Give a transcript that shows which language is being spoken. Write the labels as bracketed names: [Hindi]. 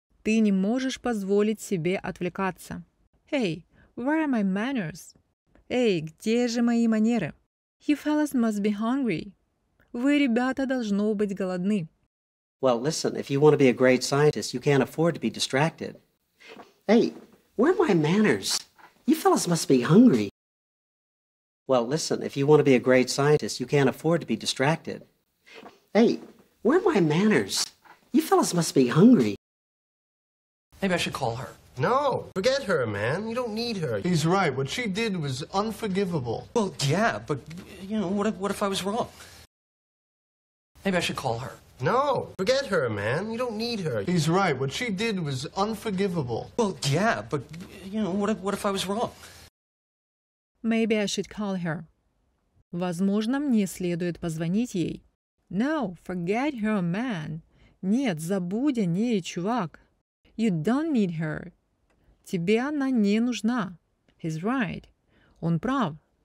[Russian] Ты не можешь позволить себе отвлекаться. [English] Hey, where are my manners? [Russian] Эй, где же мои манеры? [English] You fellas must be hungry. [Russian] Вы, ребята, должно быть голодны. [English] Well, listen, if you want to be a great scientist, you can't afford to be distracted. Hey, where are my manners? You fellas must be hungry. Well, listen, if you want to be a great scientist, you can't afford to be distracted. Hey, where are my manners? You fellas must be hungry. Maybe I should call her. No, forget her, man. You don't need her. He's right. What she did was unforgivable. Well, yeah, but, you know, what if I was wrong? Maybe I should call her. No, forget her, man. You don't need her. He's right. What she did was unforgivable. Well, yeah, but, you know, what if I was wrong? Maybe I should call her. [Russian] Возможно, мне следует позвонить ей. [English] No, forget her, man. [Russian] Нет, забудь о ней, чувак. [English] You don't need her. [Russian] Тебе она не нужна. [English] He's right. [Russian] Он прав.